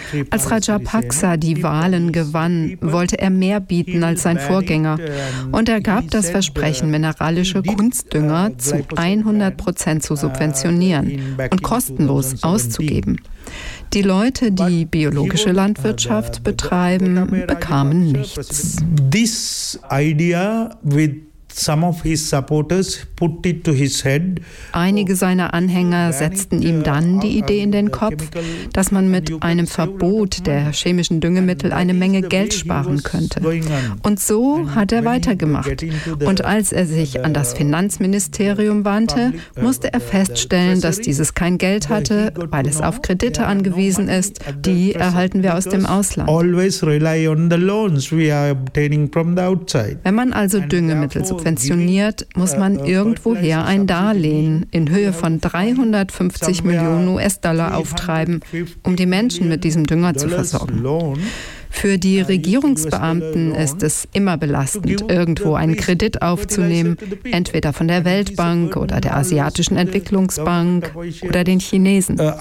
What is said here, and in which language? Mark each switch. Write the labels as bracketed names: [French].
[German] Als Rajapaksa die Wahlen gewann, wollte er mehr bieten als sein Vorgänger. Und er gab das Versprechen, mineralische Kunstdünger zu 100% zu subventionieren und kostenlos auszugeben. Die Leute, die biologische Landwirtschaft betreiben, bekamen nichts. [English] This idea with some of his supporters put it to his head. [German] Einige seiner Anhänger setzten ihm dann die Idee in den Kopf, dass man mit einem Verbot der chemischen Düngemittel eine Menge Geld sparen könnte. Und so hat er weitergemacht. Und als er sich an das Finanzministerium wandte, musste er feststellen, dass dieses kein Geld hatte, weil es auf Kredite angewiesen ist. Die erhalten wir aus dem Ausland. [English] Always rely on the loans we are obtaining from the outside. [German] Wenn man also Düngemittel subventioniert, muss man irgendwoher ein Darlehen in Höhe von 350 Millionen US-Dollar auftreiben, um die Menschen mit diesem Dünger zu versorgen. Für die Regierungsbeamten ist es immer belastend, irgendwo einen Kredit aufzunehmen, entweder von der Weltbank oder der Asiatischen Entwicklungsbank oder den Chinesen.